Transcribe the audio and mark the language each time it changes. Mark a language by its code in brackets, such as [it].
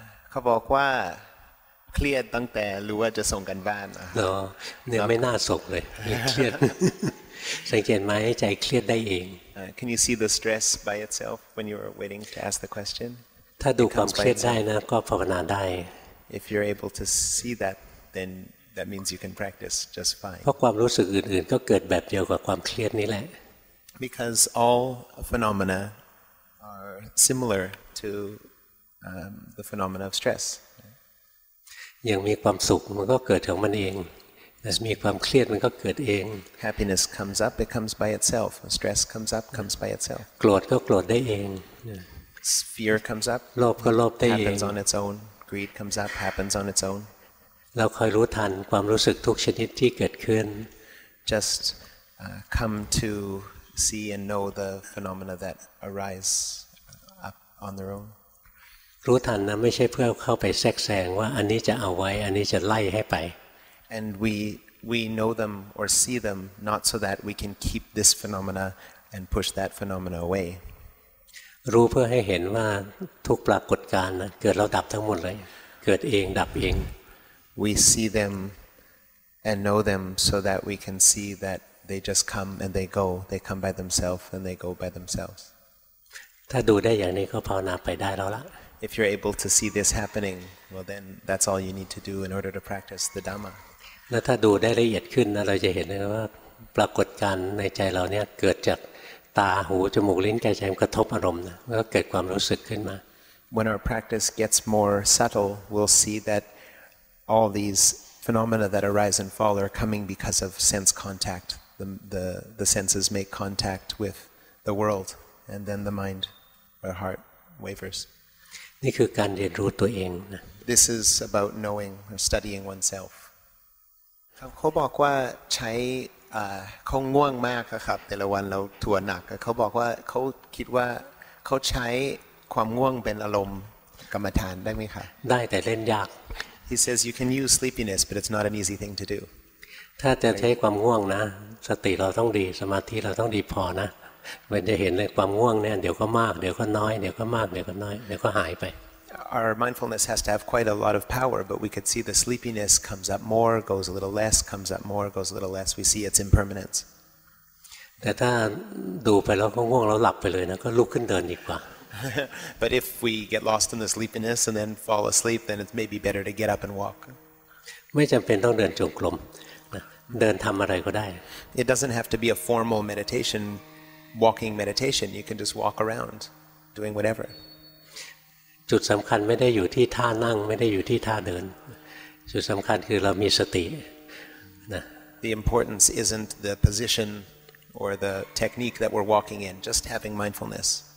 [th] เขาบอกว่าเครียดตั้งแต่รู้ว่าจะส่งกันบ้าน เนาะเนี่ยไม่น่าส่งเลยเครียดสังเกตไหมใจเครียดได้เอง [en] Can you see the stress by itself when you were waiting to ask the question [th] ถ้าดูความเครียดได้นะก็ภาวนาได้ [en] If you're able to see that then that means you can practice just fine [th] เพราะความรู้สึกอื่นๆก็เกิดแบบเดียวกับความเครียดนี่แหละ [en] Because all phenomena are similar to the phenomena of stress [th] ยังมีความสุขมันก็เกิดของมันเองแต่มีความเครียดมันก็เกิดเอง [en] happiness comes up it comes by itself stress comes up comes by itself [th] โกรธก็โกรธได้เอง [en] fear comes up [th] โลภก็โลภได้เอง [en] happens on its own greed comes up happens on its own [th] เราคอยรู้ทันความรู้สึกทุกชนิดที่เกิดขึ้น [en] just come to see and know the phenomena that arise up on their own [th] รู้ทันนะไม่ใช่เพื่อเข้าไปแทรกแซงว่าอันนี้จะเอาไว้อันนี้จะไล่ให้ไป [en] and we know them or see them not so that we can keep this phenomena and push that phenomena away [th] รู้เพื่อให้เห็นว่าทุกปรากฏการณ์นะเกิดแล้วดับทั้งหมดเลยเกิดเองดับเอง [en] we see them and know them so that we can see that they just come and they go they come by themselves and they go by themselves [th] ถ้าดูได้อย่างนี้ก็ภาวนาไปได้แล้วล่ะ [en] If you're able to see this happening, well then that's all you need to do in order to practice the Dhamma. [th] แล้วถ้าดูได้ละเอียดขึ้นนะเราจะเห็นว่าปรากฏการณ์ในใจเราเนี่ยเกิดจากตาหูจมูกลิ้นกายใจมันกระทบอารมณ์นะแล้วเกิดความรู้สึกขึ้นมา [en] When our practice gets more subtle, we'll see that all these phenomena that arise and fall are coming because of sense contact. The senses make contact with the world, and then the mind or heart wavers. [th] นี่คือการเรียนรู้ตัวเองนะ [en] This is about knowing or studying oneself [th] เขาบอกว่าใช้ของง่วงมากครับแต่ละวันเราทัวร์หนักเขาบอกว่าเขาคิดว่าเขาใช้ความง่วงเป็นอารมณ์กรรมฐานได้ไหมคะ ได้แต่เล่นยาก [en] He says you can use sleepiness but it's not an easy thing to do [th] ถ้าจะใช้ความง่วงนะสติเราต้องดีสมาธิเราต้องดีพอนะมันจะเห็นเลยความง่วงเนี่ยเดี๋ยวก็มากเดี๋ยวก็น้อยเดี๋ยวก็มากเดี๋ยวก็น้อยเดี๋ยวก็หายไป [en] Our mindfulness has to have quite a lot of power but we could see the sleepiness comes up more goes a little less comes up more goes a little less we see its impermanence [th] แต่ถ้าดูไปแล้วก็ง่วงแล้วหลับไปเลยนะก็ลุกขึ้นเดินดีกว่า [en] But if we get lost in the sleepiness and then fall asleep then it's maybe better to get up and walk [th] ไม่จำเป็นต้องเดินจงกรมเดินทำอะไรก็ได้ [en] It doesn't have to be a formal meditationwalking meditation you can just walk around doing whatever [th] จุดสําคัญไม่ได้อยู่ที่ท่านั่งไม่ได้อยู่ที่ท่าเดินจุดสําคัญคือเรามีสตินะ [en] The importance isn't the position or the technique that we're walking in just having mindfulness